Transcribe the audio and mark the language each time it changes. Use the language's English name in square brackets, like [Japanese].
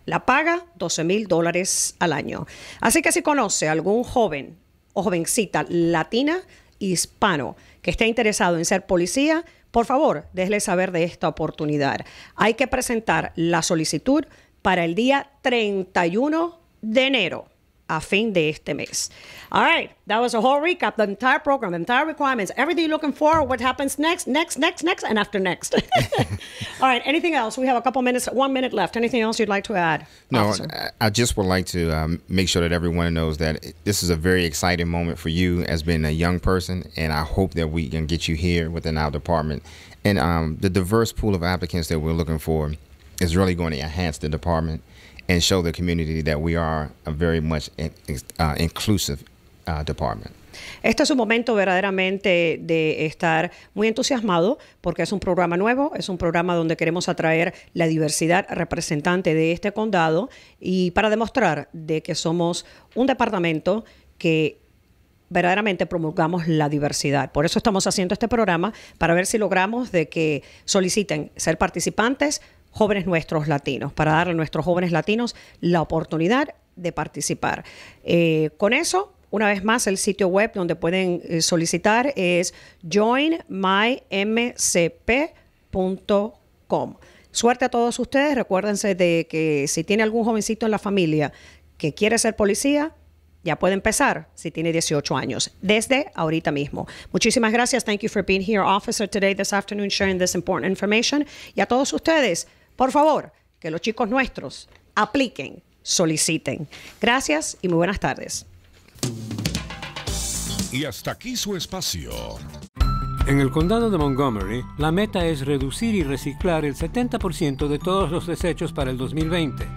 [Spanish] La paga, $12,000 al año. Así que si conoce a algún joven o jovencita latina, hispano, que esté interesado en ser policía, por favor, déjele saber de esta oportunidad. Hay que presentar la solicitud para el día 31 de enero, a fin de este mes. [English] All right, that was a whole recap, the entire program, the entire requirements, everything you're looking for, what happens next, next, next, next, and after next. All right, anything else? We have a couple minutes, 1 minute left. Anything else you'd like to add? No, I just would like to make sure that everyone knows that this is a very exciting moment for you as being a young person, and I hope that we can get you here within our department. And the diverse pool of applicants that we're looking for is really going to enhance the department and show the community that we are a very much inclusive department. [Spanish] Este es un momento verdaderamente de estar muy entusiasmado porque es un programa nuevo, es un programa donde queremos atraer la diversidad representante de este condado y para demostrar de que somos un departamento que verdaderamente promulgamos la diversidad. Por eso estamos haciendo este programa, para ver si logramos de que soliciten ser participantes jóvenes nuestros latinos, para darle a nuestros jóvenes latinos la oportunidad de participar. Con eso, una vez más, el sitio web donde pueden solicitar es joinmymcp.com. Suerte a todos ustedes. Recuérdense de que si tiene algún jovencito en la familia que quiere ser policía, ya puede empezar si tiene 18 años, desde ahorita mismo. Muchísimas gracias. [English] Thank you for being here, officer, today, this afternoon, sharing this important information. [Spanish] Y a todos ustedes, por favor, que los chicos nuestros apliquen, soliciten. Gracias y muy buenas tardes. Y hasta aquí su espacio. En el condado de Montgomery, la meta es reducir y reciclar el 70% de todos los desechos para el 2020.